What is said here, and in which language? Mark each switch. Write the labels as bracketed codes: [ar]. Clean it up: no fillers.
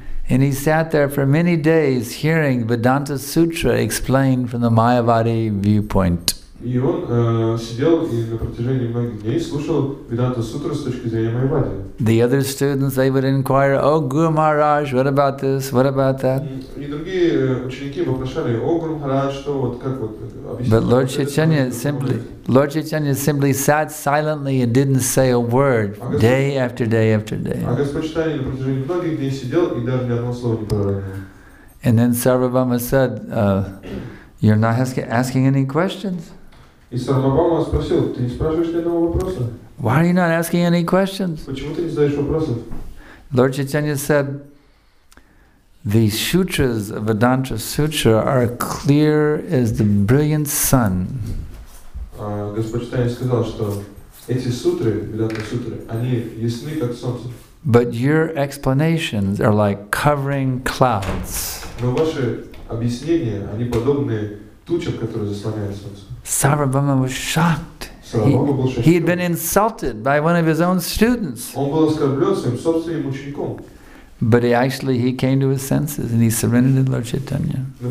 [en] And he sat there for many days hearing Vedanta Sutra explained from the Mayavadi viewpoint. [ru] И он сидел и на протяжении многих дней слушал Веданта Сутру с точки зрения Майвади. [en] The other students, they would inquire, "Oh, Guru Maharaj, what about this? What about that?" [ru] И другие ученики вопрошали: "О, Гуру Махарадж, что вот как вот объяснить?" [en] But Lord Chaitanya simply, sat silently and didn't say a word day after day after day. [ru] А Господь Читания на протяжении многих дней сидел и даже ни одного слова не говорил. [en] And then Sarvabhauma said, "You're not asking any questions." [ru] И Сарвабхаума спросил: "Ты не спрашиваешь ни одного вопроса?" [en] Why are you not asking any questions? [ru] Почему ты не задаешь вопросов? [en] Lord Chaitanya said, "The sutras of Vedanta Sutra are clear as the brilliant sun." [ru] Господь Читания сказал, что эти сутры, Vedanta Sutra, они ясны как солнце. [en] But your explanations are like covering clouds. [ru] Но ваши объяснения, они подобны тучам, которые заслоняют солнце. [en] Sarvabhauma was shocked. He had been insulted by one of his own students. But he came to his senses and he surrendered to Lord Chaitanya.